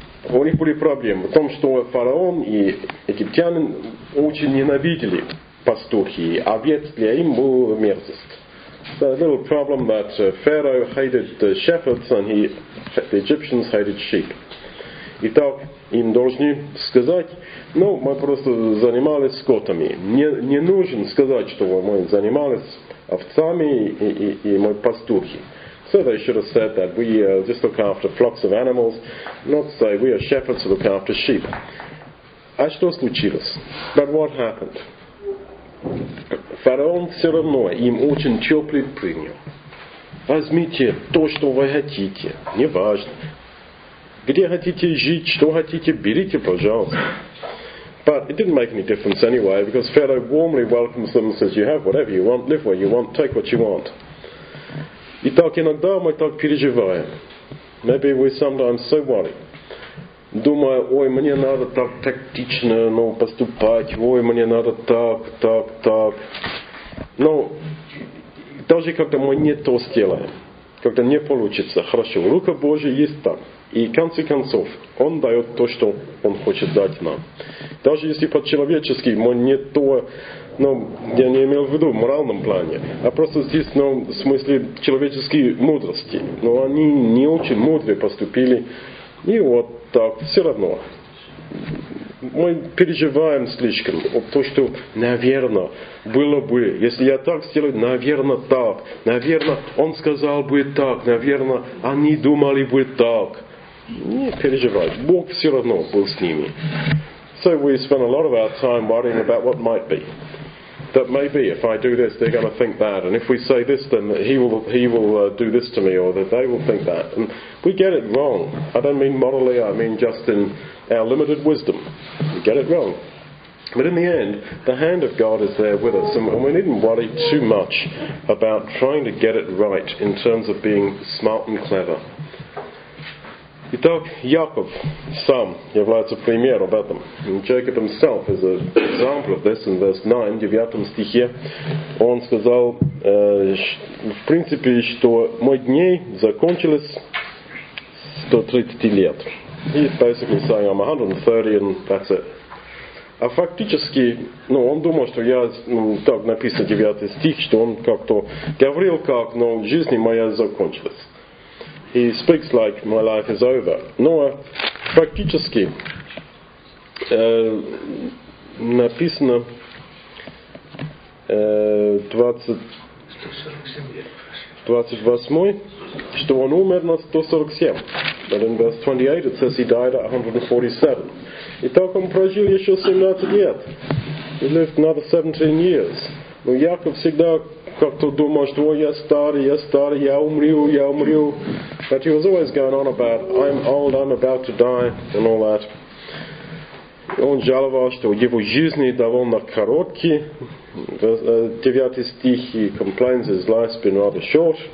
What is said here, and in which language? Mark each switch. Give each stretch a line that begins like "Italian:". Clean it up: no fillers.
Russian: У них были проблемы в том, что фараон и египтяне очень ненавидели пастухи, а овец для им был мерзость.
English: So a little problem that Pharaoh hated the shepherds and the Egyptians hated sheep.
Russian: Итак, им должны сказать, ну, мы просто занимались скотами. Не нужно сказать, что мы занимались овцами и мы пастухи.
English: So they should have said that we just look after flocks of animals, not say we are shepherds who look after sheep.
Russian: А что случилось?
English: But what happened?
Russian: Фараон все равно им очень теплый принял. Возьмите то, что вы хотите, неважно. Где хотите жить, что хотите, берите, пожалуйста. But
English: it didn't make any difference anyway, because Pharaoh warmly welcomes them and says, you have whatever you want, live where you want, take what you want.
Russian: Итак, иногда мы так переживаем.
English: Maybe we sometimes so worry.
Russian: Думаю, ой, мне надо так тактично, ну, поступать, ой, мне надо так, так, так. Ну, даже когда мы не то сделаем, когда не получится, хорошо, рука Божия есть там. И в конце концов, Он дает то, что Он хочет дать нам. Даже если по-человечески мы не то, ну, я не имел в виду в моральном плане, а просто здесь, ну, в смысле человеческой мудрости. Но они не очень мудрые поступили. И вот так, все равно. Мы переживаем слишком вот то, что, наверное, было бы, если я так сделаю, наверное, так. Наверное, Он сказал бы так. Наверное, они думали бы так. Не переживай, Бог все равно был с ними.
English: So we spend a lot of our time worrying about what might be. That maybe if I do this, they're going to think that. And if we say this, then he will do this to me, or that they will think that. And we get it wrong. I don't mean morally, I mean just in our limited wisdom. We get it wrong. But in the end, the hand of God is there with us. And we needn't worry too much about trying to get it right in terms of being smart and clever.
Russian: Итак, Яков сам является примером об этом.
English: Jacob himself is an example of this in verse 9,
Russian: 9 стихе. Он сказал, в принципе, что мой дней закончились 130 лет.
English: He's basically saying I'm 130 and that's it.
Russian: А фактически, ну, он думал, что я, ну, так написано 9 стих, что он как-то говорил как, но жизнь моя закончилась.
English: He speaks like my life is over.
Russian: Но практически написано 28, что он умер на 147.
English: But in verse 28 it says he died at 147.
Russian: Итак, он прожил еще 17 лет.
English: He lived another 17 years.
Russian: Но Яков всегда как-то думал, что я старый, я старый, я умру, я умру.
English: But he was always going on about, I'm old, I'm about to die, and all that.
Russian: Он жаловал, что его жизни довольно короткий. 9 стих,
English: he complains his life's been rather short.